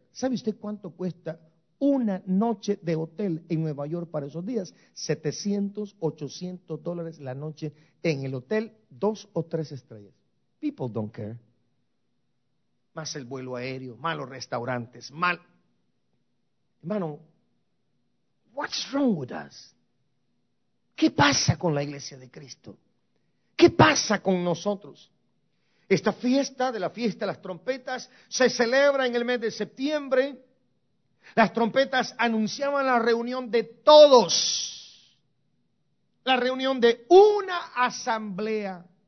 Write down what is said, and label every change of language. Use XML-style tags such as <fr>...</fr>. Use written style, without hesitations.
<es>¿Sabe usted cuánto cuesta una noche de hotel en Nueva York para esos días? $700, $800 la noche en el hotel, 2 o 3 estrellas.</es> <en>People don't care.</en> <es>Más el vuelo aéreo, malos restaurantes, mal. Hermano,</es> <en>what's wrong with us?</en> <es>¿Qué pasa con la iglesia de Cristo? ¿Qué pasa con nosotros? Esta fiesta de la fiesta de las trompetas se celebra en el mes de septiembre. Las trompetas anunciaban la reunión de todos, la reunión de una asamblea.</es>